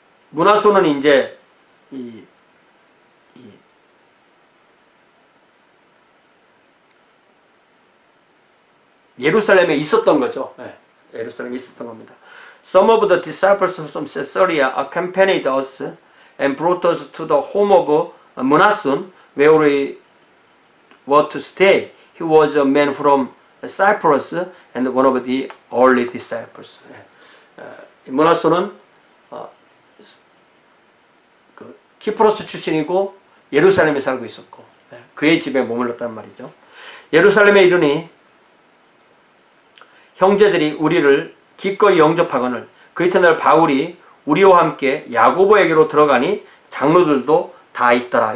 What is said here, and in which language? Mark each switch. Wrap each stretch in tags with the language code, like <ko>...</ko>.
<ko>문화손은 이제 예루살렘에 있었던 거죠. 네, 예루살렘에 있었던 겁니다.</ko> <en>Some of the disciples from Caesarea accompanied us and brought us to the home of Munasun, where we were to stay. He was a man from Cyprus and one of the early disciples.</en> <ko>문하손은 그 키프로스 출신이고 예루살렘에 살고 있었고 그의 집에 머물렀단 말이죠. 예루살렘에 이르니 형제들이 우리를 기꺼이 영접하거늘 그 이튿날 바울이 우리와 함께 야고보에게로 들어가니 장로들도 다 있더라.</ko>